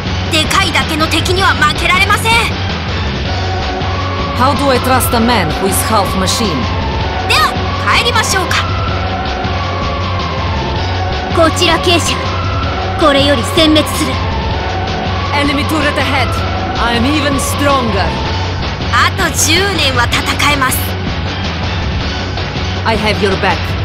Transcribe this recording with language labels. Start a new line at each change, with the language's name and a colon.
Japanese: でかいだけの敵には負けられません!
English: How do I trust a man who is half machine?
Japanese: では、帰りましょうか! こちら警視、これより殲滅する!
English: Enemy turret ahead! I'm even stronger.
Japanese: あと10年は戦えます。
English: I have your back.